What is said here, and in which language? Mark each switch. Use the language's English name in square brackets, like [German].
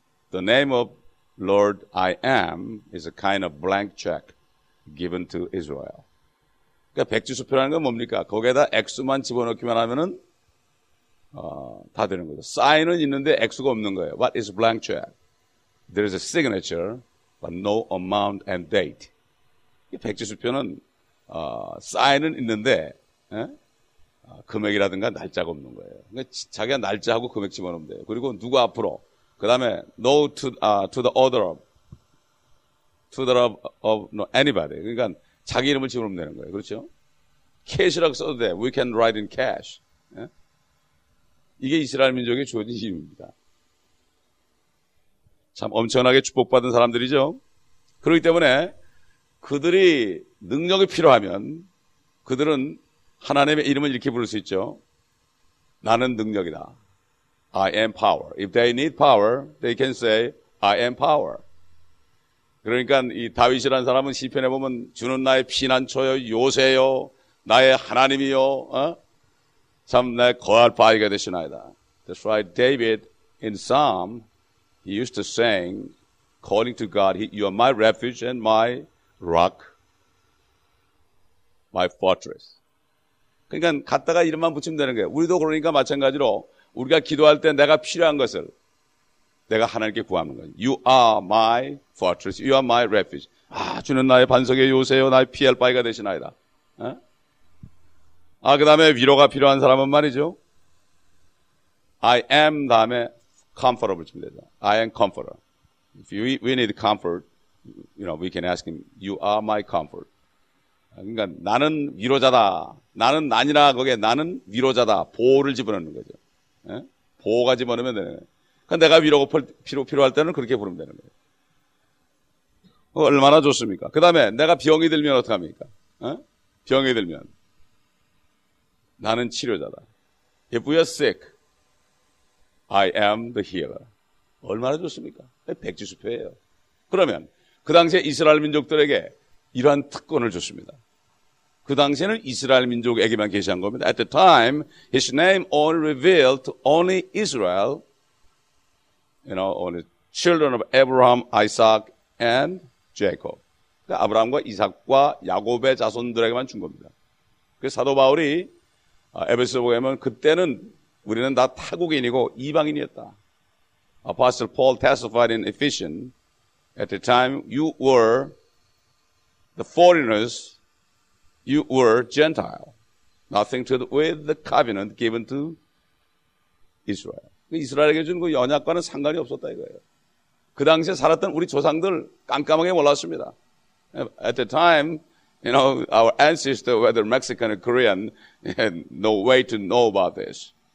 [English] The name of Lord I am is a kind of blank check given to Israel. [Korean] 그러니까 백지 수표라는 건 뭡니까? 거기에다 X만 집어넣기만 하면은 다 되는 거죠. 사인은 있는데 X가 없는 거예요. [English] What is blank check? There is a signature, but no amount and date. [Korean] 이 백지 수표는 사인은 있는데 금액이라든가 날짜가 없는 거예요. 그러니까 자기가 날짜하고 금액 집어넣으면 돼요. [English] 그리고 [Korean] 누구 앞으로? 그 다음에 [English] no to the order of anybody. [Korean] 그러니까 자기 이름을 집어넣으면 되는 거예요. 그렇죠? cash라고 써도 돼. [English] We can write in cash. [Korean] 이게 이스라엘 민족의 주어진 이름입니다. 참 엄청나게 축복받은 사람들이죠. 그렇기 때문에 그들이 능력이 필요하면 그들은 하나님의 이름을 이렇게 부를 수 있죠. 나는 능력이다. [English] I am power. If they need power, they can say, I am power. [Korean] 그러니까 이 다윗이라는 사람은 시편에 보면 주는 나의 피난처요, 요새요, 나의 하나님이요, 참 내 거할 바위가 되시나이다. [English] That's why David in Psalm, he used to sing, calling to God, you are my refuge and my rock, my fortress. [Korean] 그러니까 갖다가 이름만 붙이면 되는 거예요. 우리도 그러니까 마찬가지로 우리가 기도할 때 내가 필요한 것을 내가 하나님께 구하는 거예요. [English] You are my fortress. You are my refuge. [Korean] 아, 주는 나의 반석의 요새요. 나의 피할 바위가 되시나이다. 아, 그 다음에 위로가 필요한 사람은 말이죠. [English] I am [Korean] 다음에 [English] comfortable [Korean] 치면 되죠. [English] I am comforter. If we need comfort, you know, we can ask him, You are my comfort. [Korean] 그러니까 나는 위로자다. 나는 난이라 거기에 나는 위로자다. 보호를 집어넣는 거죠. 예? 보호가 집어넣으면 되는 거예요. 그러니까 내가 위로가 필요할 때는 그렇게 부르면 되는 거예요. 얼마나 좋습니까? 그 다음에 내가 병이 들면 어떡합니까? 병이 들면. 나는 치료자다. [English] If we are sick, I am the healer. [Korean] 얼마나 좋습니까? 백지수표예요. 그러면 그 당시에 이스라엘 민족들에게 이러한 특권을 줬습니다. 그 당시에는 이스라엘 민족에게만 계시한 겁니다. [English] At the time, his name only revealed to only Israel, you know, only children of Abraham, Isaac, and Jacob. [Korean] 그러니까 아브라함과 이삭과 야곱의 자손들에게만 준 겁니다. 그래서 사도 바울이 에베소서 보게 되면 그때는 우리는 다 타국인이고 이방인이었다. [English] Apostle Paul testified in Ephesians, At the time you were the foreigners, you were Gentile. Nothing to do with the covenant given to Israel. [Korean] 이스라엘에게 준 그 연약과는 상관이 없었다 이거예요. 그 당시에 살았던 우리 조상들 깜깜하게 몰랐습니다. [English] At the time, You know, our ancestor, whether Mexican or Korean, had no way to know about this.